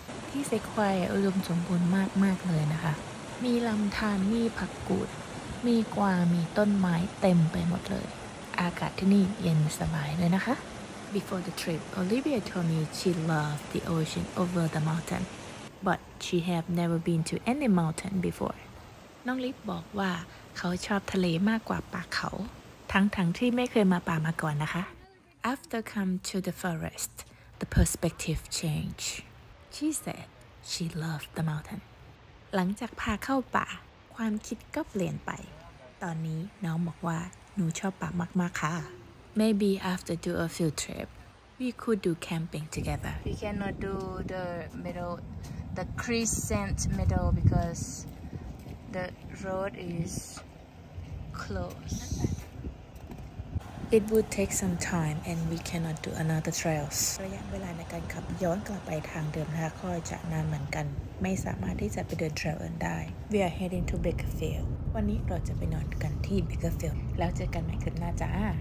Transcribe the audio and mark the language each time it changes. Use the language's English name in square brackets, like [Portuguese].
[Thai] ที่เซควายอุดมสมบูรณ์มากมากเลยนะคะมีลำธารมีผักกูดมีกวางมีต้นไม้เต็มไปหมดเลยอากาศที่นี่เย็นสบายเลยนะคะ [English] Before the trip, Olivia told me she loved the ocean over the mountain. But she have never been to any mountain before. [Thai] น้องลิฟบอกว่าเขาชอบทะเลมากกว่าป่าเขาทั้งที่ไม่เคยมาป่ามาก่อนนะคะ [English] After come to the forest, the perspective changed. She said she loved the mountain. [Thai] หลังจากพาเข้าป่าความคิดก็เปลี่ยนไปตอนนี้น้องบอกว่าหนูชอบป่ามากๆค่ะ [English] Maybe after do a field trip. We could do camping together. We cannot do the middle, the crescent middle because the road is closed. It would take some time and we cannot do another trails. [Thai] ระยะเวลาในการขับย้อนกลับไปทางเดิมนะคะก็จะนานเหมือนกันไม่สามารถที่จะไปเดินเทรลได้ [English] We are heading to Bakerfield. [Thai] วันนี้เราจะไปนอนกันที่ Bakerfield. แล้วเจอกันใหม่คืนหน้าจ้า